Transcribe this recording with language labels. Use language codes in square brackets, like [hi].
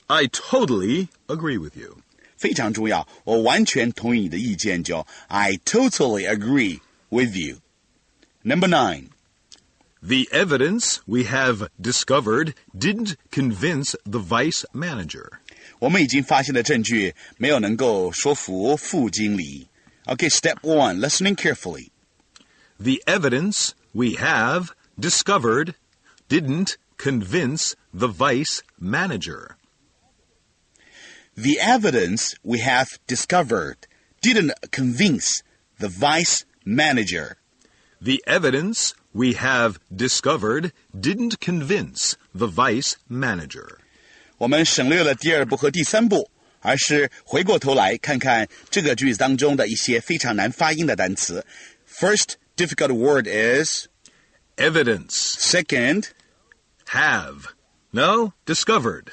[en] I totally agree with you. [zh] 非常重要，我完全同意你的意见，就 [en] I totally agree with you. Number 9. The evidence we have discovered didn't convince the vice manager. [zh] 我们已经发现的证据没有能够说服副经理。 [en] Okay, step 1, listening carefully. The evidence... We have discovered didn't convince the vice manager. The evidence we have discovered didn't convince the vice manager. The evidence we have discovered didn't convince the vice manager. [zh] 我们省略了第二步和第三步，而是回过头来看看这个句子当中的一些非常难发音的单词。 [en] First difficult word is... Evidence. Second. Have. No, discovered.